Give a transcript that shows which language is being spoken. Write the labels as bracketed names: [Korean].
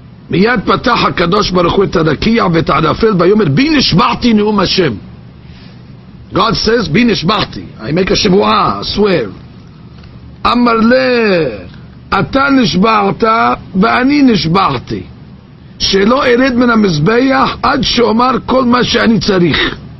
[Hebrew] מיד פתח הקדוש ברוך הוא את הדקיע ואת הערפל ויאמר בי נשבעתי נאום השם. [English] God says [Hebrew] בי נשבעתי, [English] I make a שבועה, I swear. [Hebrew] אמר לי אתה נשבעת ואני נשבעתי שלא ארד מן המזבח עד שאומר כל מה שאני צריך.